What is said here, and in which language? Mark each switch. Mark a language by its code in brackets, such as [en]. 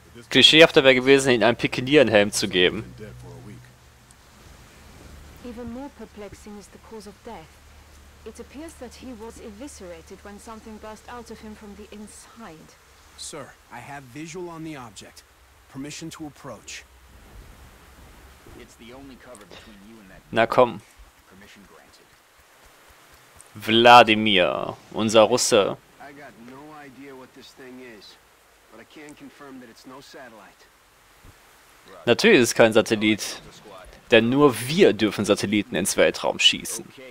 [de] Klischeehafter wäre gewesen, ihnen einen Pikinierenhelm zu geben. [en] Even more perplexing is the cause of death. It appears that he was eviscerated when something burst out of him from the inside. Sir, I have visual on the object. Permission to approach. It's the only cover between you and that. [de] Na komm. [en] Permission granted. [de] Wladimir, unser Russe. [en] I got no idea what this thing is. But I can confirm that it's no satellite. [de] Natürlich ist es kein Satellit, denn nur wir dürfen Satelliten ins Weltraum schießen.